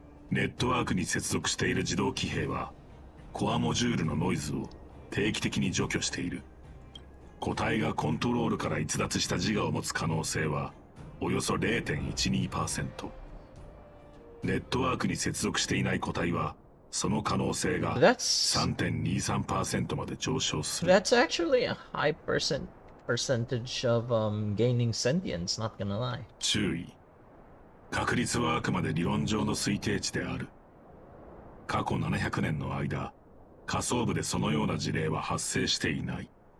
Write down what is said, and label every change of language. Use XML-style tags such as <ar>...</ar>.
<ja>ネットワークに接続している自動騎兵は、コアモジュールのノイズを定期的に除去している。個体がコントロールから逸脱した自我を持つ可能性はおよそ 0.12%。ネットワークに接続していない個体はその可能性が 3.23% まで上昇する。</ja> <en>That's actually a high percentage of gaining sentience, not gonna lie.</en> <ja>注意。確率はあくまで理論上の推定値である。過去700年の間、仮想部でそのような事例は発生していない。</ja>